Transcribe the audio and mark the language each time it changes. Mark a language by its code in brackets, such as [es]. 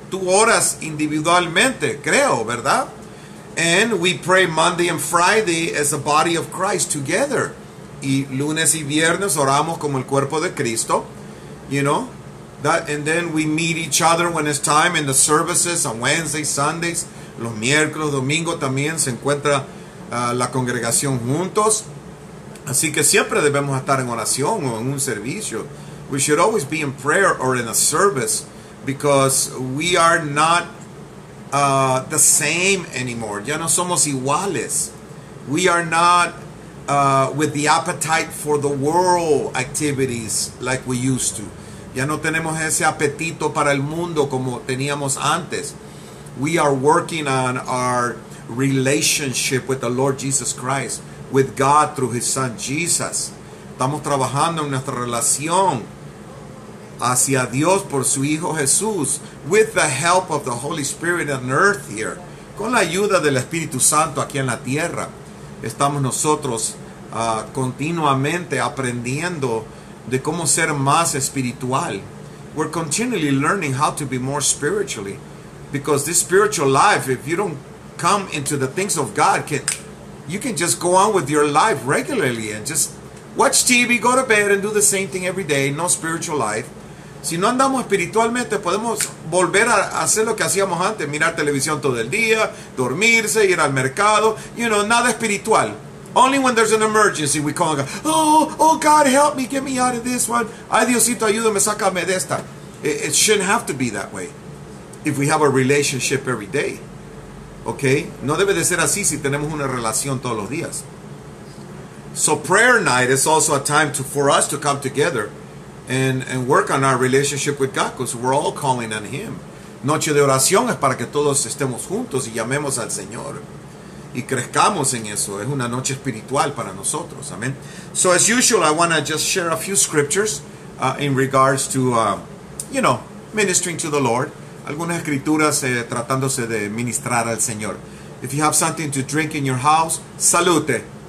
[es] Tú oras individualmente, creo, ¿verdad? [en] And we pray Monday and Friday as a body of Christ together. [es] Y lunes y viernes oramos como el cuerpo de Cristo, you know? [en] That, and then we meet each other when it's time in the services on Wednesdays, Sundays. [es] Los miércoles, domingo también se encuentra la congregación juntos. Así que siempre debemos estar en oración o en un servicio. [en] We should always be in prayer or in a service because we are not the same anymore. [es] Ya no somos iguales. [en] We are not with the appetite for the world activities like we used to. [es] Ya no tenemos ese apetito para el mundo como teníamos antes. [en] We are working on our relationship with the Lord Jesus Christ, with God through His Son Jesus. [es] Estamos trabajando en nuestra relación hacia Dios por su Hijo Jesús, [en] with the help of the Holy Spirit on earth here. [es] Con la ayuda del Espíritu Santo aquí en la tierra, estamos nosotros continuamente aprendiendo de cómo ser más espiritual. [en] We're continually learning how to be more spiritually, because this spiritual life, if you don't come into the things of God, you can just go on with your life regularly and just watch TV, go to bed and do the same thing every day, no spiritual life. [es] Si no andamos espiritualmente, podemos volver a hacer lo que hacíamos antes, mirar televisión todo el día, dormirse, ir al mercado, you know, nada espiritual. [en] Only when there's an emergency we call and go, oh God help me, get me out of this one. [es] Ay Diosito, ayúdame, sácame de esta. [en] It shouldn't have to be that way if we have a relationship every day. Okay? [es] No debe de ser así si tenemos una relación todos los días. [en] So prayer night is also a time for us to come together and work on our relationship with God, because we're all calling on Him. [es] Noche de oración es para que todos estemos juntos y llamemos al Señor y crezcamos en eso. Es una noche espiritual para nosotros. Amen. [en] So as usual, I want to just share a few scriptures in regards to, you know, ministering to the Lord. [es] Algunas escrituras tratándose de ministrar al Señor. [en] If you have something to drink in your house, salute.